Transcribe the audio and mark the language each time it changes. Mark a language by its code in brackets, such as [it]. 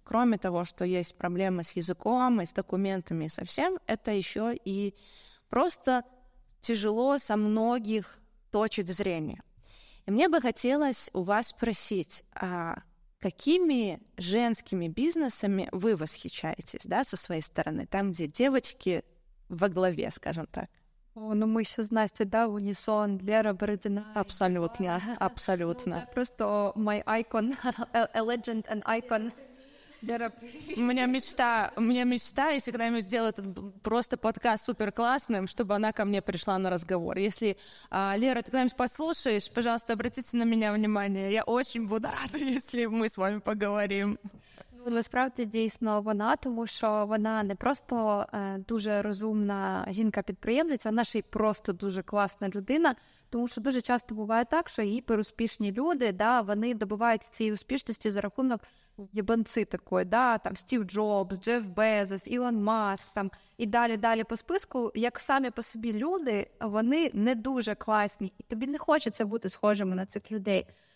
[ru] Кроме того, что есть проблемы с языком и с документами и со всем, это еще и просто тяжело со многих точек зрения. И мне бы хотелось у вас спросить, а какими женскими бизнесами вы восхищаетесь, да, со своей стороны, там, где девочки во главе, скажем так? [uk] О, ну ми ще з Настю, да, унісон, Лера Бородіна. Абсолютно, абсолютно. Ну, це просто [en] my icon, a legend and icon. [ru] Лера, у меня мечта, если когда-нибудь сделаю этот просто подкаст суперклассным, чтобы она ко мне пришла на разговор. Если, Лера, ты когда-нибудь послушаешь, пожалуйста, обратите на меня внимание. Я очень буду рада, если мы с вами поговорим. [uk] Ну, насправді, дійсно, вона, тому що вона не просто дуже розумна жінка-підприємниця, вона ще й просто дуже класна людина, тому що дуже часто буває так, що гіперуспішні люди, да, вони добиваються цієї успішності за рахунок єбанці такої, да, там Стів Джобс, Джефф Безос, Ілон Маск, там, і далі-далі по списку, як самі по собі люди, вони не дуже класні, і тобі не хочеться бути схожими на цих людей.